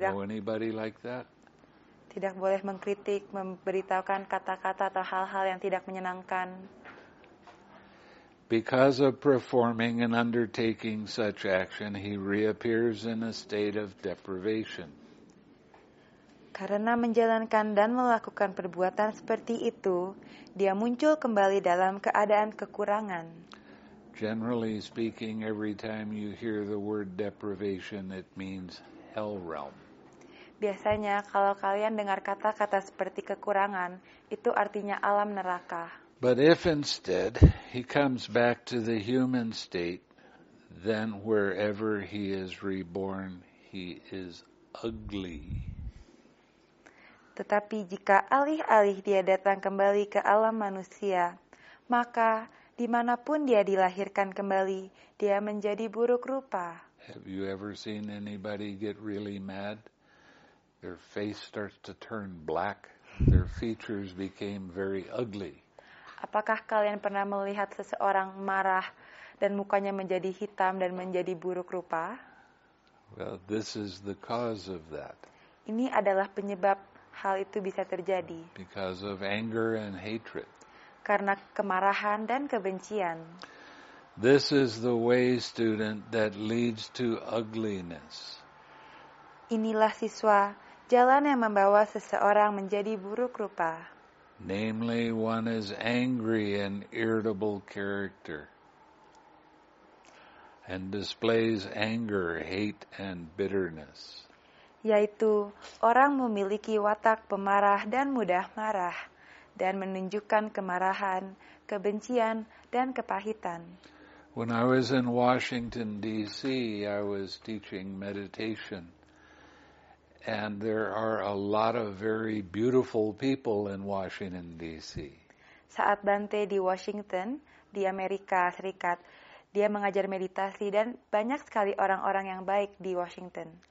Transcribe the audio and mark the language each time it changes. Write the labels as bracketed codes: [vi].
[en] You know anybody like that? [id] Tidak boleh mengkritik, memberitahukan kata-kata atau hal-hal yang tidak menyenangkan. [en] Because of performing and undertaking such action, he reappears in a state of deprivation. [id] Karena menjalankan dan melakukan perbuatan seperti itu, dia muncul kembali dalam keadaan kekurangan. [en] Generally speaking, every time you hear the word deprivation, it means hell realm. [id] Biasanya kalau kalian dengar kata-kata seperti kekurangan, itu artinya alam neraka. [en] But if instead he comes back to the human state, then wherever he is reborn, he is ugly. [id] Tetapi jika alih-alih dia datang kembali ke alam manusia, maka dimanapun dia dilahirkan kembali, dia menjadi buruk rupa. [en] Have you ever seen anybody get really mad? Their face starts to turn black. Their features became very ugly. [id] Apakah kalian pernah melihat seseorang marah dan mukanya menjadi hitam dan menjadi buruk rupa? [en] Well, this is the cause of that. [id] Ini adalah penyebab hal itu bisa terjadi. [en] Because of anger and hatred. [id] Karena kemarahan dan kebencian. [en] This is the way, student, that leads to ugliness. [id] Inilah, siswa, jalan yang membawa seseorang menjadi buruk rupa. [en] Namely, one is angry and irritable character and displays anger, hate, and bitterness. [id] Yaitu, orang memiliki watak pemarah dan mudah marah dan menunjukkan kemarahan, kebencian, dan kepahitan. [en] When I was in Washington, D.C., I was teaching meditation. And there are a lot of very beautiful people in Washington, D.C. [id] Saat Bante di Washington, di Amerika Serikat, dia mengajar meditasi dan banyak sekali orang-orang yang baik di Washington.